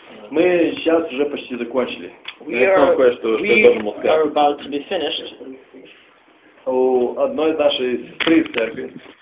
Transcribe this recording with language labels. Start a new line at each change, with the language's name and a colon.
Russian: Мы сейчас уже почти закончили.
English: We are about to be finished.
Russian: У одной из нашей сестры в церкви.